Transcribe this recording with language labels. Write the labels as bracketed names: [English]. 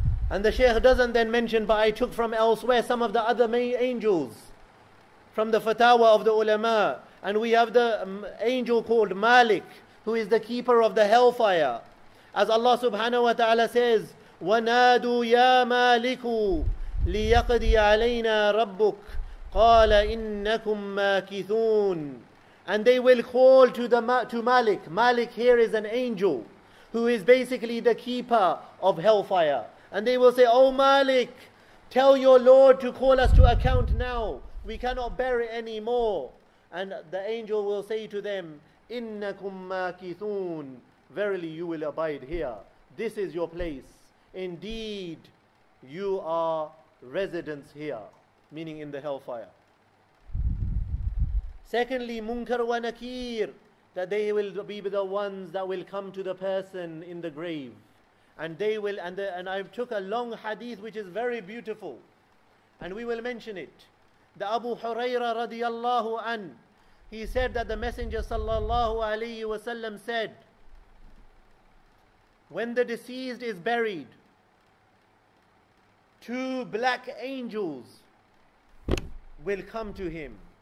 [English] And the Shaykh doesn't then mention, but I took from elsewhere some of the other main angels from the fatawa of the ulama. And we have the angel called Malik, who is the keeper of the hellfire. As Allah subhanahu wa ta'ala says, [Arabic] وَنَادُوا يَا مَالِكُ لِيَقْدِي عَلَيْنَا رَبُّكُ قَالَ إِنَّكُمْ مَاكِثُونَ. [English] And they will call to Malik. Malik here is an angel who is basically the keeper of hellfire. And they will say, O Malik, tell your Lord to call us to account now. We cannot bear it anymore. And the angel will say to them, [Arabic] إِنَّكُمْ مَاكِثُونَ. [English] Verily you will abide here. This is your place. Indeed, you are residents here. Meaning in the hellfire. Secondly, مُنْكَرْ وَنَكِيرْ. That they will be the ones that will come to the person in the grave. And they will, and I took a long hadith which is very beautiful. And we will mention it. The Abu Hurairah radiallahu an, he said that the Messenger sallallahu alayhi wasallam said, when the deceased is buried, two black angels will come to him.